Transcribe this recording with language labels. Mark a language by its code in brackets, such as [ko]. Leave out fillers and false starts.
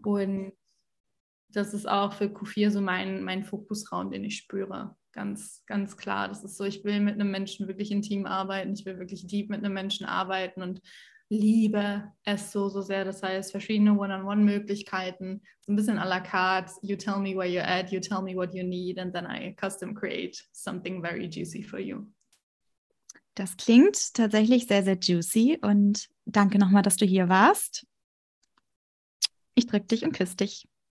[de] Und das ist auch für Q4 so mein Fokusraum, den ich spüre. Ganz, ganz klar. Das ist so, ich will mit einem Menschen wirklich intim arbeiten. Ich will wirklich deep mit einem Menschen arbeiten und liebe es so, so sehr. Das heißt, verschiedene One-on-One-Möglichkeiten, so ein bisschen à la carte. [en] You tell me where you're at, you tell me what you need and then I custom create something very juicy for you. [de] Das klingt tatsächlich sehr, sehr juicy und danke nochmal, dass du hier warst. Ich drück dich und küsse dich.